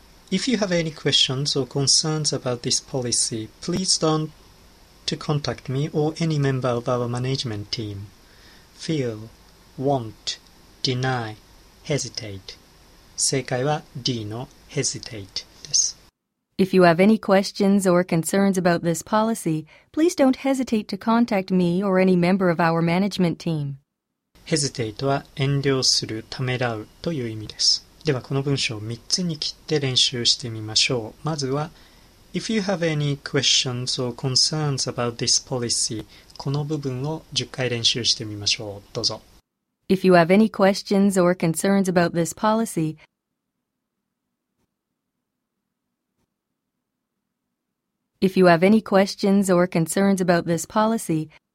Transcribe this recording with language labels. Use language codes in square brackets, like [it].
[en] If you have any questions or concerns about this policy, please don't to contact me or any member of our management team. Feel, want, deny, hesitate. [ja] 正解は D の hesitate です。 [en] If you have any questions or concerns about this policy, please don't hesitate to contact me or any member of our management team. [ja] Hesitate は遠慮する、ためらうという意味です。ではこの文章を3つに切って練習してみましょう。まずは、 [en] If you have any questions or concerns about this policy, [ja] この部分を10回練習してみましょう。どうぞ。 [en] If you have any questions or concerns about this policy,If you have any questions or concerns about this policy,